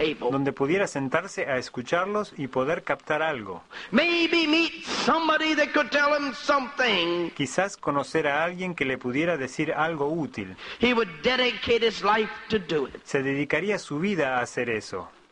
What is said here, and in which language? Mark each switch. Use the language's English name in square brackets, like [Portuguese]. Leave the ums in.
[Spanish] Donde pudiera sentarse a escucharlos y poder captar algo. [English] Maybe meet somebody that could tell him something. [Spanish] Quizás conocer a alguien que le pudiera decir algo útil. [English] He would dedicate his life to do it. [Spanish] Se dedicaría su vida a hacer eso.